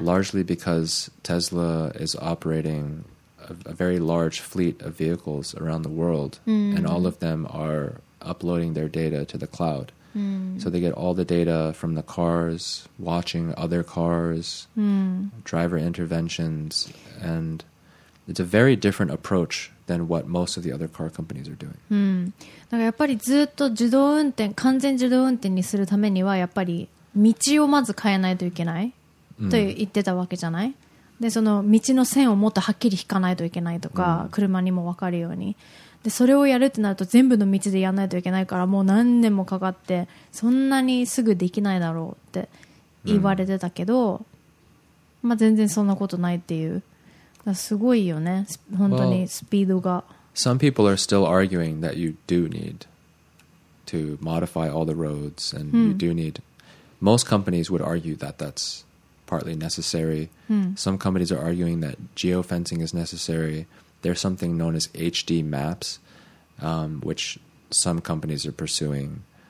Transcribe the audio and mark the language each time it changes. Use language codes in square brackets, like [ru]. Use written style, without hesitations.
[en] Largely because Tesla is operating a very large fleet of vehicles around the world, and all of them are uploading their data to the cloud. So they get all the data from the cars, watching other cars, driver interventions, and it's a very different approach than what most of the other car companies are doing. [ja] だからやっぱりずっと自動運転、完全自動運転にするためにはやっぱり道をまず変えないといけない、と言ってたわけじゃない。で、その道の線をもっとはっきり引かないといけないとか、車にも分かるように。で、それをやるってなると全部の道でやらないといけないからもう何年もかかってそんなにすぐできないだろうって言われてたけど、まあ全然そんなことないっていう。すごいよね、本当にスピードが。 [en] Some people are still arguing that you do need to modify all the roads, and you do need. Most companies would argue that that's partly necessary. Some companies are arguing that geofencing is necessary. There's something known as HD maps, which some companies are pursuing.